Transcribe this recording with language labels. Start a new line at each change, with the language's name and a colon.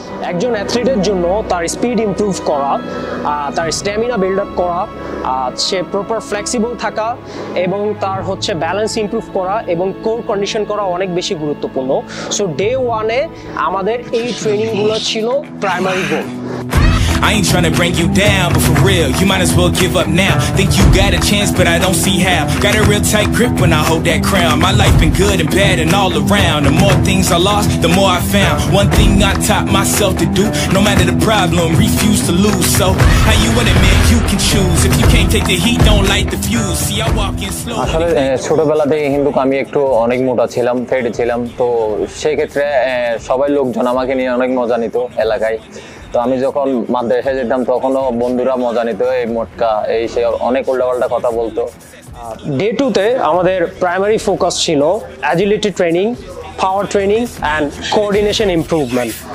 Bangla: একজন অ্যাথলিটের জন্য তার স্পিড ইম্প্রুভ করা, তার স্ট্যামিনা বিল্ড আপ করা, সে প্রপার ফ্লেক্সিবল থাকা এবং তার হচ্ছে ব্যালেন্স ইম্প্রুভ করা এবং কোর কন্ডিশন করা অনেক বেশি গুরুত্বপূর্ণ। সো ডে ওয়ানে আমাদের এই ট্রেনিংগুলো ছিল primary goal.
English: I ain't trying to bring you down, but for real, you might as well give up now. Think you got a chance, but I don't see how. Got a real tight grip when I hold that crown. My life been good and bad and all around. The more things I lost, the more I found. One thing I taught myself to do, no matter the problem, refuse to lose. So, how you want it, man? You can choose. If you can't take the heat, don't light the fuse. See, I walk in slow.
Bangla: আসলে ছোটবেলাতেই হিন্দু আমি একটু অনেক মোটা ছিলাম, ফেটে ছিলাম, তো সেক্ষেত্রে সবাই লোকজন আমাকে নিয়ে অনেক মজা নিত এলাকায়। তো আমি যখন মাদ্রাসায় যেতাম তখনও বন্ধুরা মজা নিত এই মোটকা এই সে অনেক উল্টাপাল্টা কথা বলতো। ডে টুতে আমাদের প্রাইমারি ফোকাস ছিল agility training, power training and coordination improvement.